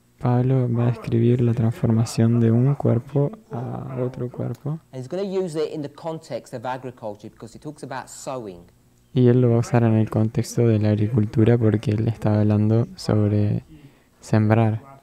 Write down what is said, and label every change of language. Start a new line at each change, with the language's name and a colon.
Spanish: Pablo va a describir la transformación de un cuerpo a otro cuerpo.
English: And he's going to use it in the context of agriculture because he talks about sowing.
Spanish: Y él lo va a usar en el contexto de la agricultura porque él estaba hablando sobre sembrar.